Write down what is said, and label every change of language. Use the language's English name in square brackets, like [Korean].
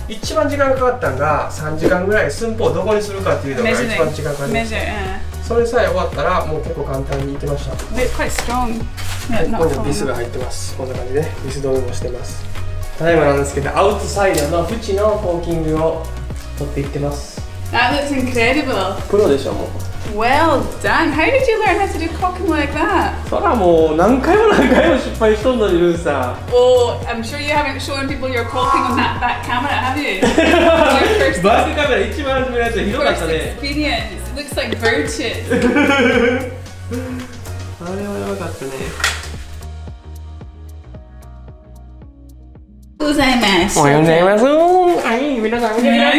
[Japanese] 一番時間かかったのが、3時間ぐらい。寸法をどこにするかっていうのが一番時間かかりました。それさえ終わったら、もう結構簡単にいってました。 [English] で、quite strong. [Japanese] ここにビスが入ってます。こんな感じで、ビス止めもしてます。ただいまなんですけど、アウトサイドの縁のコーキングを取っていってます。 [English] That looks incredible. [Japanese] プロでしょ、もう。 [English] Well done. How did you learn how to do cocking like that? [Japanese] そらもう何回も何回も失敗しとんのに、ルーさん。 [English] Oh, I'm sure you haven't shown people your cocking on that back camera, have you? [Japanese] バックカメラ一番初めのやつひどかったね。 [English] First experience. It looks like virtue. [Japanese] あれはやばかったね。おはようございます。おはようございます。はい、皆さん見てください。